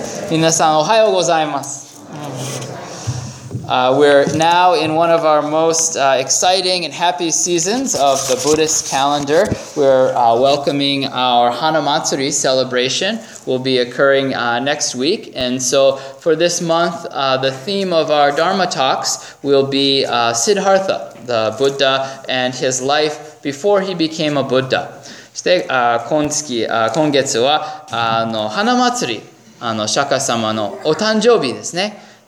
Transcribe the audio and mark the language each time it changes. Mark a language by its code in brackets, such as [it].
[ja] 皆さんおはようございます。 [en] We're now in one of our most exciting and happy seasons of the Buddhist calendar. We're welcoming our Hanamatsuri celebration, will be occurring next week. And so for this month, the theme of our Dharma talks will be Siddhartha, the Buddha, and his life before he became a Buddha. [ja] そして今月は、あの、花祭り、あの、釈迦様のお誕生日ですね。